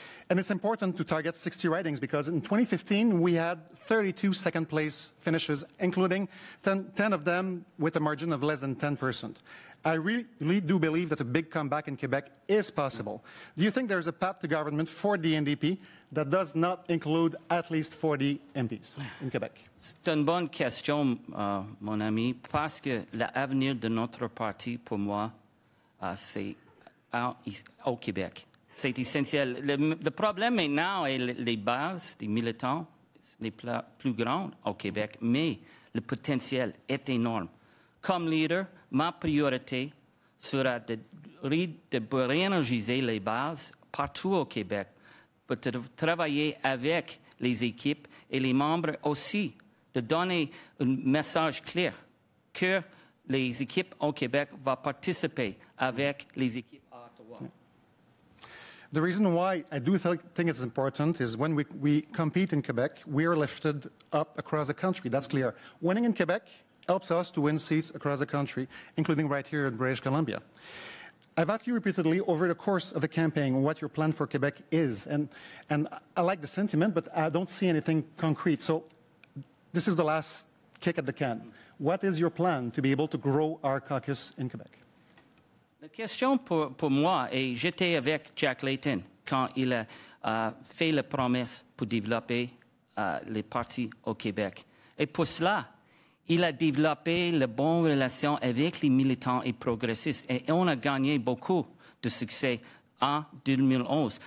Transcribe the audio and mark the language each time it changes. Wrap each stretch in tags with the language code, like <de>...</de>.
<en>And it's important to target 60 ridings because in 2015, we had 32 second place finishes, including 10 of them with a margin of less than 10%. I really do believe that a big comeback in Quebec is possible. Do you think there is a path to government for the NDP that does not include at least 40 MPs in Quebec?</en> <fr>C'est une bonne question, mon ami, parce que l'avenir de notre parti, pour moi, c'est au Québec. C'est essentiel. Le problème maintenant est les bases des militants, les plus grandes au Québec, mais le potentiel est énorme. Comme leader, ma priorité sera de réénergiser les bases partout au Québec, pour de travailler avec les équipes et les membres aussi, de donner un message clair que les équipes au Québec vont participer avec les équipes.</fr> <en>The reason why I do think it's important is when we compete in Quebec, we are lifted up across the country. That's clear. Winning in Quebec helps us to win seats across the country, including right here in British Columbia. I've asked you repeatedly over the course of the campaign what your plan for Quebec is. And I like the sentiment, but I don't see anything concrete. So this is the last kick at the can. What is your plan to be able to grow our caucus in Quebec?</en> <fr>La question pour moi est, j'étais avec Jack Layton quand il a fait la promesse pour développer les partis au Québec. Et pour cela, il a développé les bonnes relations avec les militants et progressistes. Et on a gagné beaucoup de succès en 2011.</fr>